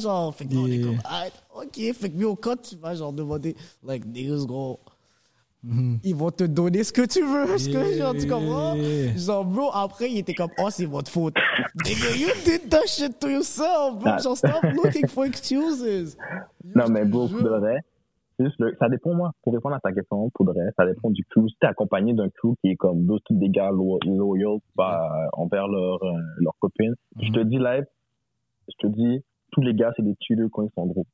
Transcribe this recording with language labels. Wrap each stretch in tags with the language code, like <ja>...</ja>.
<fr>Genre, fait que non, on est comme, aïe. Ok, fait que, mais quand tu vas genre demander,</fr> <en>like, niggas, bro,</en> <fr>ils vont te donner ce que tu veux, ce que genre, tu comprends? Genre, bro, après, il était comme, oh, c'est votre faute.</fr> <en>Nigga, you did that shit to yourself, bro. Genre, stop looking for excuses.</en> <fr>Non, mais, bro, pour de vrai, ça dépend, moi, pour répondre à ta question, pour de vrai, ça dépend du crew. Si t'es accompagné d'un crew qui est comme, d'autres tous des gars loyaux envers leur copine, je te dis live, je te dis, tous les gars, c'est des tueurs quand ils sont gros.</fr>